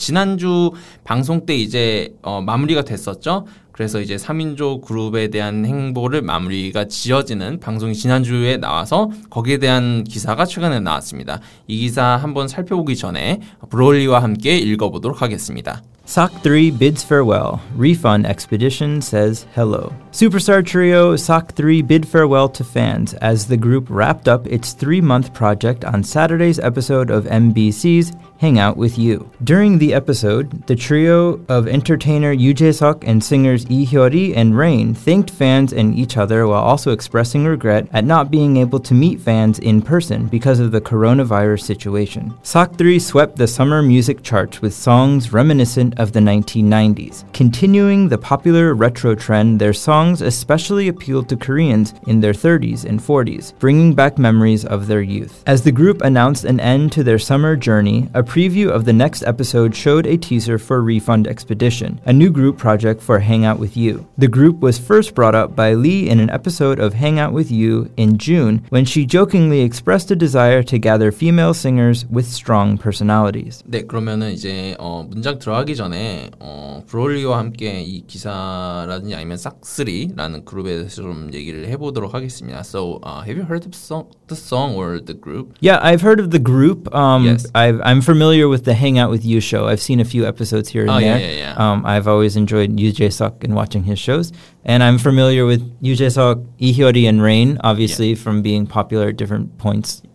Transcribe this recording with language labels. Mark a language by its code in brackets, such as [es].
[ko] 지난주 방송 때 이제 마무리가 됐었죠. 그래서 이제 3인조 그룹에 대한 행보를 마무리가 지어지는 방송이 지난주에 나와서 거기에 대한 기사가 최근에 나왔습니다. 이 기사 한번 살펴보기 전에 브로리와 함께 읽어보도록 하겠습니다. [en] SAC 3 bids farewell. Refund expedition says hello. Superstar trio SAC 3 bid farewell to fans as the group wrapped up its three-month project on Saturday's episode of MBC's Hang Out With You. During the episode, the trio of entertainer Yoo Jae-suk and singers Lee Hyori and Rain thanked fans and each other while also expressing regret at not being able to meet fans in person because of the coronavirus situation. SAC 3 swept the summer music charts with songs reminiscent of the 1990s. Continuing the popular retro trend, their songs especially appealed to Koreans in their 30s and 40s, bringing back memories of their youth. As the group announced an end to their summer journey, a preview of the next episode showed a teaser for Refund Expedition, a new group project for Hang Out With You. The group was first brought up by Lee in an episode of Hang Out With You in June when she jokingly expressed a desire to gather female singers with strong personalities. [ko] 네, 그러면은 이제 문장 들어가기 전에 브롤리와 함께 이 기사라든지 아니면 싹쓰리라는 그룹에 대해서 좀 얘기를 해보도록 하겠습니다. [en] So, have you heard of the song or the group? Yeah, I've heard of the group. I'm familiar with the Hang Out With You show. I've seen a few episodes here and there. I've always enjoyed Yoo Jae-suk and watching his shows. And I'm familiar with Yoo Jae-suk, Lee Hyori, and Rain, obviously, from being popular at different points.